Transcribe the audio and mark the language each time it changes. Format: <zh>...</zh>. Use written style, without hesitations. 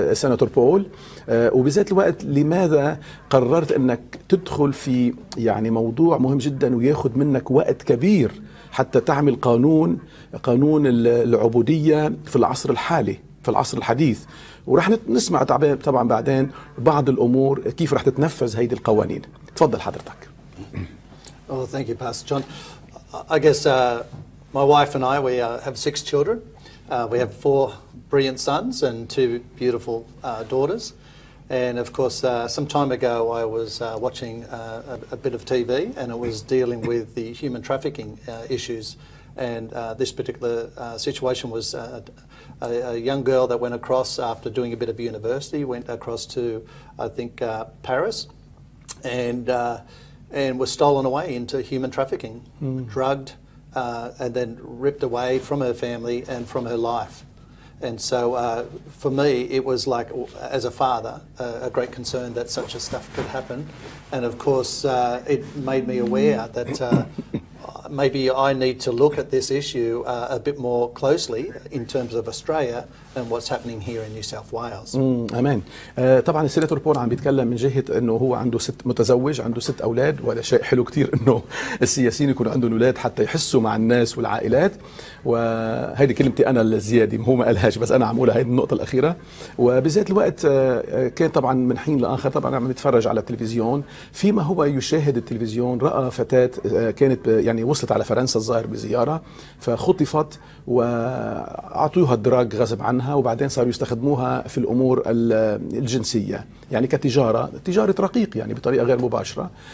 <ar>سيناتور بول، وبذات الوقت لماذا قررت أنك تدخل في يعني موضوع مهم جدا وياخد منك وقت كبير حتى تعمل قانون العبودية في العصر الحالي في العصر الحديث؟ ورح نسمع طبعا بعدين بعض الأمور كيف رح تتنفذ هيدي القوانين. تفضل حضرتك.</ar> <en>Oh, thank you, Pastor John. I guess my wife and I, we have 6 children. We have 4 brilliant sons and 2 beautiful daughters. And of course, some time ago, I was watching a bit of TV, and it was dealing with the human trafficking issues. And this particular situation was a young girl that went across after doing a bit of university, went across to, I think, Paris, and was stolen away into human trafficking, drugged, and then ripped away from her family and from her life. And so for me, it was like, as a father, a great concern that such a stuff could happen. And of course, it made me aware that maybe I need to look at this issue a bit more closely in terms of Australia and what's happening here in New South Wales. Amen.</en> <ar>طبعا السيناتور بول عم بيتكلم من جهة انه هو عنده 6 متزوج، عنده 6 اولاد، وهذا شيء حلو كتير انه السياسيين يكونوا عندهم اولاد حتى يحسوا مع الناس والعائلات. وهيدي كلمتي انا الزيادة، هو ما قالهاش بس انا عم اقولها، هيدي النقطة الاخيرة. وبذات الوقت كان طبعا من حين لاخر طبعا عم يتفرج على التلفزيون، فيما هو يشاهد التلفزيون رأى فتاة كانت يعني وصلت على فرنسا الظاهر بزيارة، فخطفت وعطوها الدراج غصب عنها، وبعدين صاروا يستخدموها في الأمور الجنسية يعني كتجارة، تجارة رقيق يعني بطريقة غير مباشرة.</ar>